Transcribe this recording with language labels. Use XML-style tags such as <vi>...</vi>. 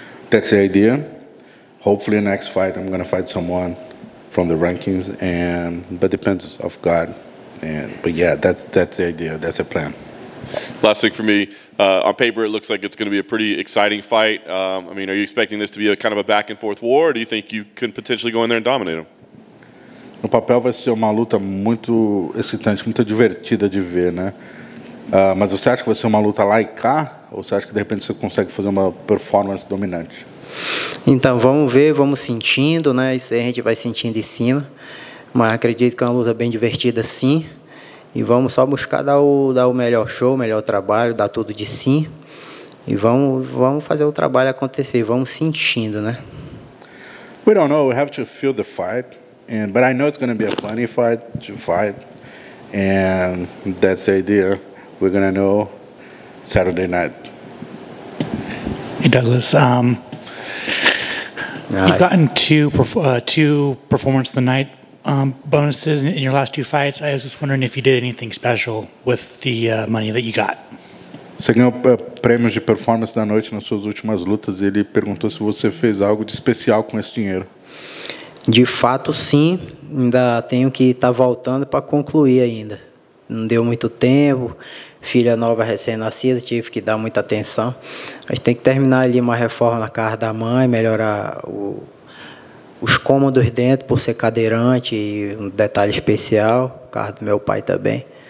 <en>That's the idea. Hopefully next fight I'm gonna fight someone from the rankings and but depends of God. And but yeah, that's the idea. That's the plan. Last thing for me, on paper it looks like it's going to be a pretty exciting fight. I mean, are you expecting this to be a kind of a back and forth war, or do you think you can potentially go in there and dominate him?</en> <pt>No papel vai ser uma luta muito excitante, muito divertida de ver, né? Mas você acha que vai ser uma luta lá e cá, ou você acha que de repente você consegue fazer uma performance dominante? Então, vamos ver, vamos sentindo, né? Isso aí a gente vai sentindo em cima. Mas acredito que é uma luta bem divertida sim. E vamos só buscar dar o melhor show, o melhor trabalho, dar tudo de si. E vamos fazer o trabalho acontecer, vamos sentindo, né?</pt> <en>We don't know, we have to feel the fight. But I know it's going to be a funny fight to fight. And that's the idea. We're going to know Saturday night. Hey, Douglas. You've gotten two performance of the night bonuses in your last two fights. I was just wondering if you did anything special with the money that you got.</en> <pt>Você ganhou prêmios de performance da noite nas suas últimas lutas e ele perguntou se você fez algo de especial com esse dinheiro. De fato, sim. Ainda tenho que estar voltando para concluir ainda. Não deu muito tempo. Filha nova recém-nascida, tive que dar muita atenção. A gente tem que terminar ali uma reforma na casa da mãe, melhorar os cômodos dentro, por ser cadeirante, e um detalhe especial, o carro do meu pai também.</pt>